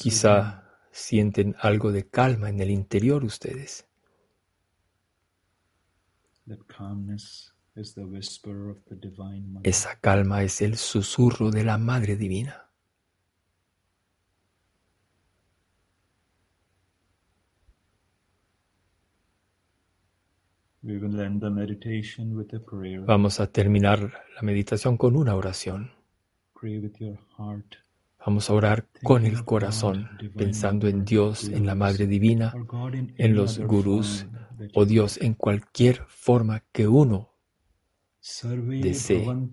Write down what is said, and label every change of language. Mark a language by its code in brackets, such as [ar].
[es] Quizá sienten algo de calma en el interior ustedes. [en] That calmness is the whisper of the divine mother. [es] Esa calma es el susurro de la Madre Divina. [en] We will end the meditation with a prayer. [es] Vamos a terminar la meditación con una oración. [en] Pray with your heart. [es] Vamos a orar con el corazón, pensando en Dios, en la Madre Divina, en los gurús o Dios en cualquier forma que uno desee.